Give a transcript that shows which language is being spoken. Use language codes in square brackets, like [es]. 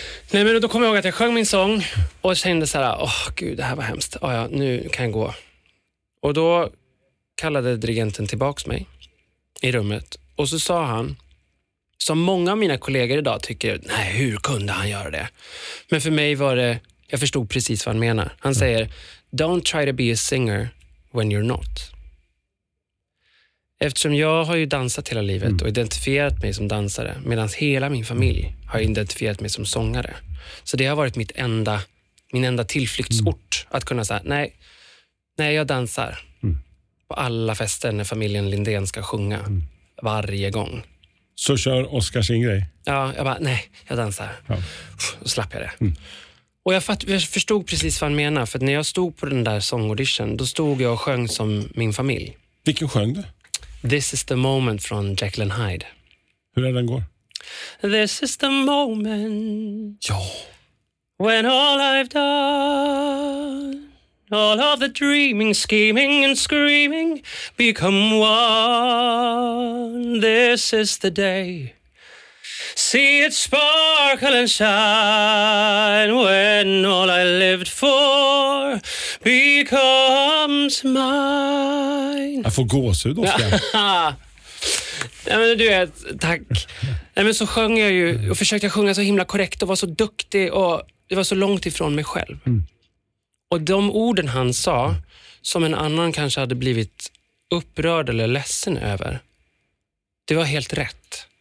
[sv] Nej, men då kommer jag ihåg att jag sjöng min sång och kände så här, gud, det här var hemskt. Ja, nu kan jag gå. Och då kallade dirigenten tillbaks mig i rummet. Och så sa han, som många av mina kollegor idag tycker, nej, hur kunde han göra det? Men för mig var det, jag förstod precis vad han menar. Han säger, [en] don't try to be a singer when you're not. [sv] Eftersom jag har ju dansat hela livet och identifierat mig som dansare, medan hela min familj har identifierat mig som sångare. Så det har varit min enda tillflyktsort att kunna säga, nej, jag dansar på alla fester när familjen Lindén ska sjunga varje gång. Så kör Oskar sin grej? Ja, jag bara, nej, jag dansar. Ja. Och slapp jag det. Och jag förstod precis vad han menar, för när jag stod på den där sångaudition, då stod jag och sjöng som min familj. Vilken sjöng du? This is the moment från Jekyll and Hyde. Hur är den går? [en] This is the moment. [sv] Ja. [en] When all I've done, all of the dreaming, scheming and screaming become one. This is the day. See it sparkle and shine when all I lived for becomes mine. [sv] Jag får gåshud, Oskar. Nej, men du vet, tack. Nej, men så sjöng jag ju och försökte sjunga så himla korrekt och var så duktig och det var så långt ifrån mig själv. Mm. Och de orden han sa, som en annan kanske hade blivit upprörd eller ledsen över, det var helt rätt.